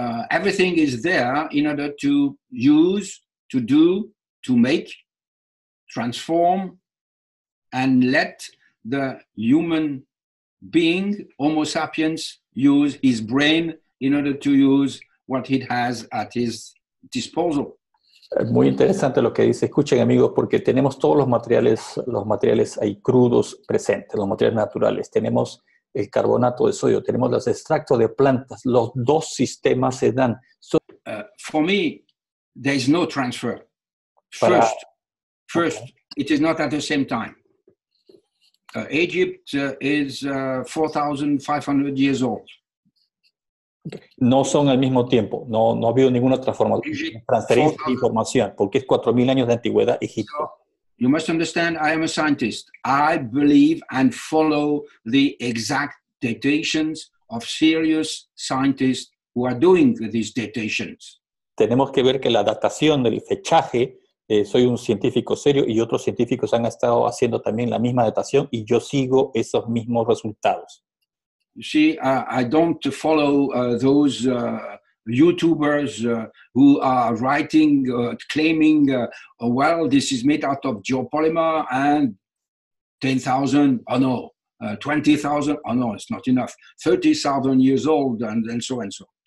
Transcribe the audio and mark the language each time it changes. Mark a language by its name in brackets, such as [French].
[English] Everything is there in order to use, to do, to make, transform, and let the human being, Homo sapiens, use his brain in order to use what he has at his disposal. [Spanish] Muy interesante lo que dice. Escuchen, amigos, porque tenemos todos los materiales ahí crudos presentes, los materiales naturales. Tenemos el carbonato de sodio, tenemos los extractos de plantas, los dos sistemas se dan. [English] For me, there is no transfer. First, it is not at the same time. Egypt is 4,500 years old. [Spanish] No son al mismo tiempo. No ha habido ninguna transferencia de información, porque es 4,000 años de antigüedad Egipto. [English] You must understand, I am a scientist. I believe and follow the exact datations of serious scientists who are doing these datations. [Spanish] Tenemos que ver que la datación del fechaje. Soy un científico serio y otros científicos han estado haciendo también la misma datación y yo sigo esos mismos resultados. [English] You see, I don't follow those YouTubers who are writing, claiming, well, this is made out of geopolymer and 10,000, oh no, 20,000, oh no, it's not enough, 30,000 years old, and so and so.